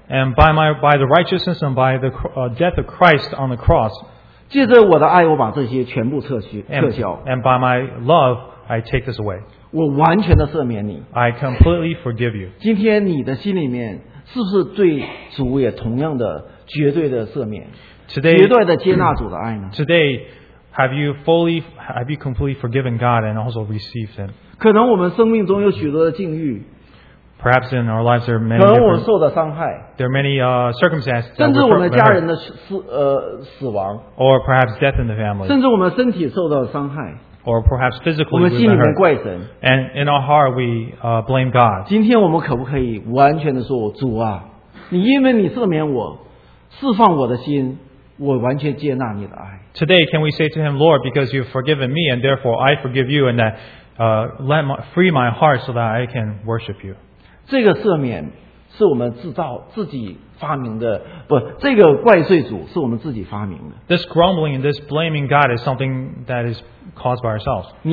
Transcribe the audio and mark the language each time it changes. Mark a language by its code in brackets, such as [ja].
[en] And by the righteousness and by the death of Christ on the cross. [zh] 借着我的爱，我把这些全部撤销。 [en] And by my love, I take this away. [zh] 我完全的赦免你。 [en] I completely forgive you. [zh] 今天你的心里面是不是对主也同样的绝对的赦免？ [en] Today, [zh] 绝对的接纳主的爱呢？ [en] Today, have you completely forgiven God and also received Him? [zh] 可能我们生命中有许多的境遇, [en] perhaps in our lives there are many different, [zh] 可能我受的伤害, [en] there are many circumstances, [zh] 甚至我们家人的死, 死亡, [en] or perhaps death in the family, [zh] 甚至我们身体受到伤害, [en] or perhaps physically we've been hurt, and in our heart we blame God. [zh] 今天我们可不可以完全地说, 主啊, 你因为你赦免我, 释放我的心, 我完全接纳你的爱。 [en] Today can we say to Him, Lord, because you've forgiven me and therefore I forgive you, and that free my heart so that I can worship you. [zh] 这个赦免是我们自己发明的, [en] this grumbling and this blaming God is something that is caused by ourselves.